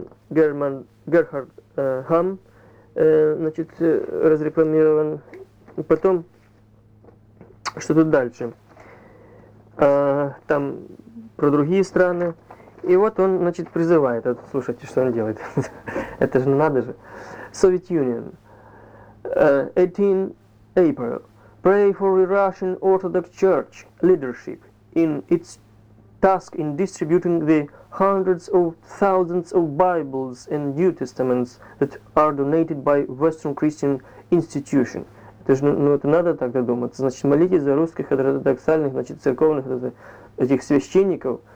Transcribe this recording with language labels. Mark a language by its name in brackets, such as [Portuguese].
[Russian] Герхард Хам, значит, разрекламирован. Потом, что тут дальше? Там про другие страны. И вот он, значит, призывает, вот, слушайте, что он делает, это же надо же. [English] Soviet Union, 18 April, pray for the Russian Orthodox Church leadership in its task in distributing the hundreds of thousands of Bibles and New Testaments that are donated by Western Christian institution. [Russian] Это же, ну это надо так додуматься, значит, молитесь за русских ортодоксальных, значит, церковных этих священников.